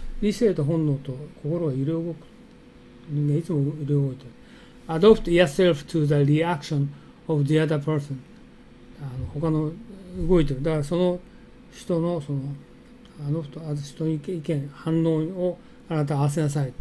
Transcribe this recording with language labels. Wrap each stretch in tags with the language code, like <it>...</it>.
<ja>理性と本能と心が揺れ動く。人間いつも揺れ動いてる。</ja> <en>Adopt yourself to the reaction of the other person.</en> <ja>他の動いてる。だからその人の、その、人の意見、反応をあなた合わせなさい。</ja>